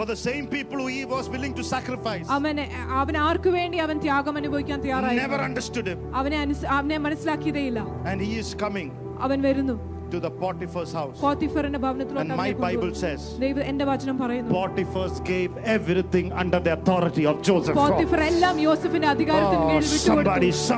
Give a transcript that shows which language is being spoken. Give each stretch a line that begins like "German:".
English: For the same people who he was willing to sacrifice.
Malayalam: അവനെ ആർക്കു വേണ്ടി അവൻ ത്യാഗം അനുഭവിക്കാൻ തയ്യാറായി അവനെ മനസ്സിലാക്കിയതേയില്ല
English: and he is coming
Malayalam: അവൻ വരുന്നു
English: to the Potiphar's house
Malayalam: പോത്തിഫറിന്റെ ഭവനത്തിലേക്ക്
English: and my bible says
Malayalam: ദൈവം എൻ്റെ വചനം പറയുന്നു
English: Potiphar gave everything under the authority of Joseph
Malayalam: Potiphar എല്ലാം യോസഫിന്റെ അധികാരത്തിൻ കീഴിൽ വിട്ടുകൊടുത്തു